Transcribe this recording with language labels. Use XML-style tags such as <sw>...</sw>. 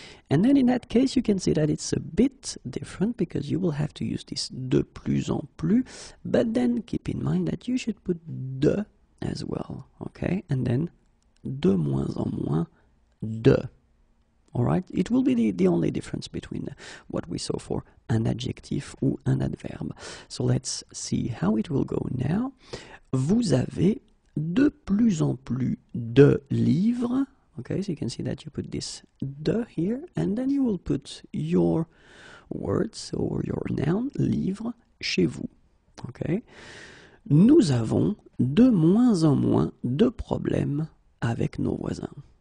<en>And then in that case, you can see that it's a bit different, because you will have to use this</en> <fr>de plus en plus,</fr> <en>but then keep in mind that you should put de as well, okay? And then</en> <fr>de moins en moins, de.</fr> <en>Alright? It will be the only difference between what we saw for an adjective ou an adverb. So let's see how it will go now.</en> <fr>Vous avez de plus en plus de livres.</fr> <en>Okay, so you can see that you put this de here, and then you will put your words or your noun, livre,</en> <fr>chez vous.</fr> <en>Okay.</en> <fr>Nous avons de moins en moins de problèmes avec nos voisins.</fr>